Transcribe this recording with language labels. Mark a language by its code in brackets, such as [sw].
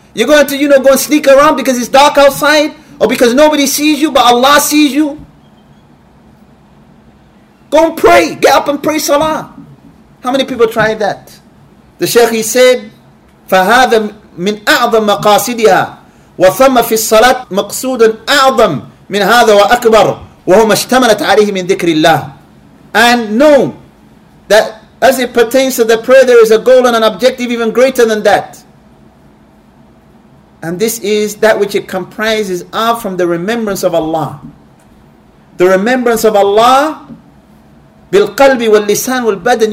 [en] You're going to, you know, go and sneak around because it's dark outside, or because nobody sees you, but Allah sees you. Go and pray. Get up and pray salah. How many people tried that? The Shaykh, he said, [ar] فَهَذَا من أعظم مقاصدها. وثم في الصلاة مقصود أعظم من هذا وأكبر, وهو ما اشتملت عليه من ذكر الله. [en] And know that as it pertains to the prayer, there is a goal and an objective even greater than that. And this is that which it comprises are from the remembrance of Allah. The remembrance of Allah [ar] بِالْقَلْبِ وَاللِّسَانِ وَالْبَدَنِ.